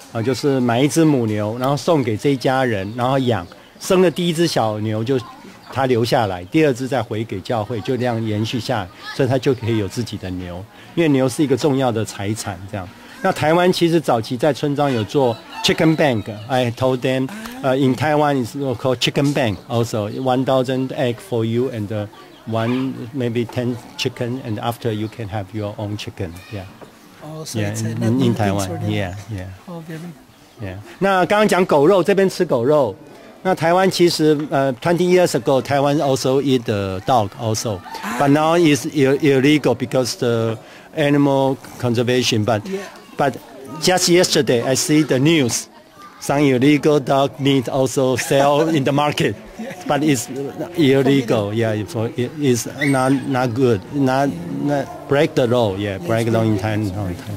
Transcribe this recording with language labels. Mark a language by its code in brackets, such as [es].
[zh] 就是买一只母牛，然后送给这一家人，然后养生的第一只小牛就他留下来，第二只再回给教会，就这样延续下来，所以他就可以有自己的牛，因为牛是一个重要的财产这样。那台湾其实早期在村庄有做 [en] chicken bank， I told them in Taiwan is called chicken bank also 1,000 egg for you and one maybe 10 chicken and after you can have your own chicken yeah Oh, so yeah, it's a, in Taiwan, yeah, yeah. Oh, yeah. [zh] 那刚刚讲狗肉，这边吃狗肉。那台湾其实 [en] 20 years ago, Taiwan also eat the dog also. But now it's illegal because the animal conservation. But,、 yeah. but just yesterday, I see the news. Some illegal dog meat also sell in the market. But it's illegal, yeah, it's not good, not break the law, yeah, break the law in Taiwan.